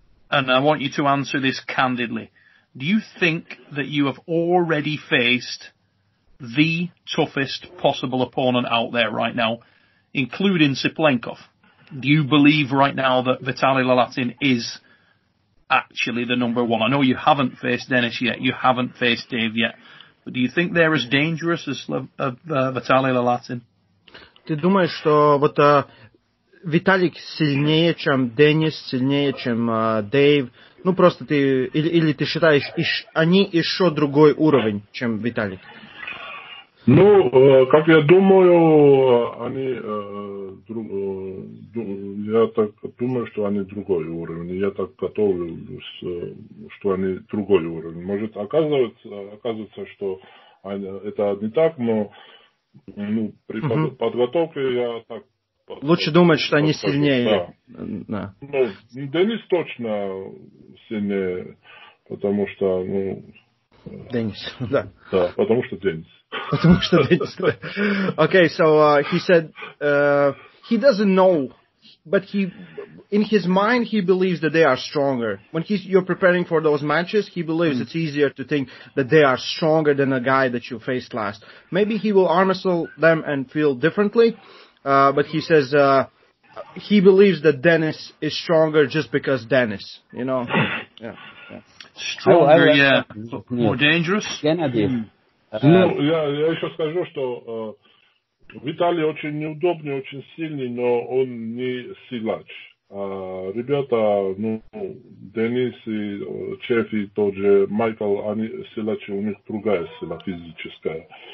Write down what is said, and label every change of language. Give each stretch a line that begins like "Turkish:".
English: And I want you to answer this candidly. Do you think that you have already faced the toughest possible opponent out there right now, including Siplenkov? Do you believe right now that Vitaly Lalatin is actually the number one? I know you haven't faced Dennis yet. You haven't faced Dave yet. But do you think they're as dangerous as Vitaly Lalatin?
Russian: Ты думаешь, что вот Виталик сильнее, чем Денис, сильнее, чем Дэйв? Ну просто ты или ты считаешь, они еще другой уровень, чем Виталик? Ну, как я думаю, они я так думаю, что они другой уровень. Я так готовлюсь, что они другой уровень. Может, оказывается, что это не так, но при подготовке я так Лучше думать, что они сильнее. Ну, Денис точно сильнее, потому что, ну... Денис, да. Да, потому что Денис. Потому что Денис.
English: Okay, so he said he doesn't know, but he... In his mind, he believes that they are stronger. When you're preparing for those matches, he believes it's easier to think that they are stronger than a guy that you faced last. Maybe he will arm wrestle them and feel differently, but he says he believes that Dennis is stronger just because Dennis, you know? Yeah. Stronger, yeah. More dangerous?
Russian: Я еще скажу, что Виталий очень неудобный, очень сильный, но он не силач. Ребята, ну, Денис и Чеф и тот же Майкл, они силачи, у них другая сила физическая.